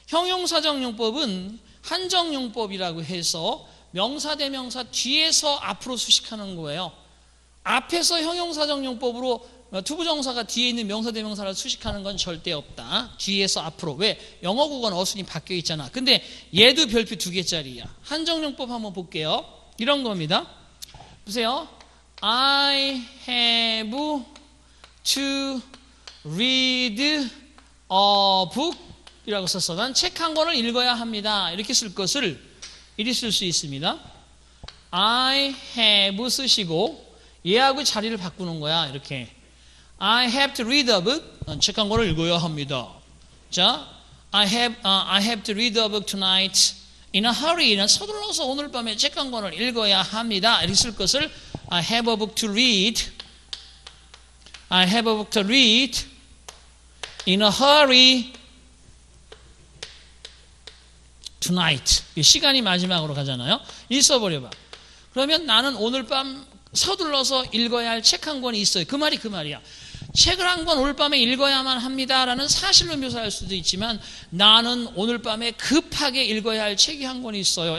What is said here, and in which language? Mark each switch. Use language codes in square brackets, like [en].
[ko] 형용사정용법은 한정용법이라고 해서 명사 대명사 뒤에서 앞으로 수식하는 거예요. 앞에서 형용사정용법으로 투부정사가 뒤에 있는 명사 대명사를 수식하는 건 절대 없다. 뒤에서 앞으로. 왜? 영어국어는 어순이 바뀌어 있잖아. 근데 얘도 별표 2개짜리야. 한정용법 한번 볼게요. 이런 겁니다. 보세요. [en] I have to read a book [ko] 이라고 썼어. 난 책 한 권을 읽어야 합니다. 이렇게 쓸 것을 이리 쓸 수 있습니다. [en] I have [ko] 쓰시고 얘하고 자리를 바꾸는 거야. 이렇게 [en] I have to read a book. [ko] 난 책 한 권을 읽어야 합니다. [en] 자, I have to read a book tonight in a hurry. [ko] 난 서둘러서 오늘 밤에 책 한 권을 읽어야 합니다. 이렇게 쓸 것을 [en] I have a book to read. I have a book to read in a hurry. Tonight. [ko] 시간이 마지막으로 가잖아요. 있어버려봐. 그러면 나는 오늘 밤 서둘러서 읽어야 할 책 한 권이 있어요. 그 말이 그 말이야. 책을 한 권 오늘 밤에 읽어야만 합니다라는 사실로 묘사할 수도 있지만 나는 오늘 밤에 급하게 읽어야 할 책이 한 권이 있어요.